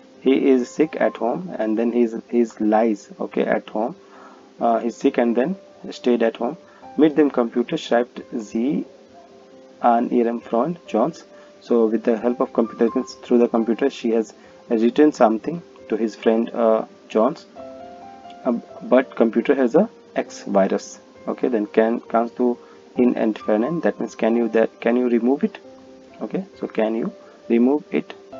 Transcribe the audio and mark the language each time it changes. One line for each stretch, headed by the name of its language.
English: He is sick at home and then he's lies okay at home. He's sick and then stayed at home.
German: Mit dem Computer schreibt sie an ihrem Freund Johns.
English: So with the help of computer, through the computer, she has written something to his friend Johns. But computer has a X virus. Okay, then comes to
German: in entfernen.
English: That means can you remove it? Okay, so can you remove it?